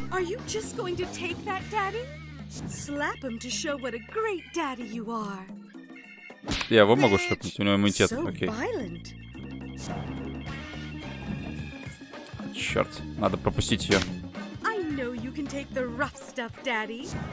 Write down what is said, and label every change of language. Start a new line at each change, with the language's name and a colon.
English: Are you just going to take that, daddy? Slap him to show what a great daddy you are.
Russian: Я его могу шлепнуть, у него иммунитет, окей.
English: So violent.
Russian: Чёрт, надо пропустить её.
English: I know you can take the rough stuff, daddy.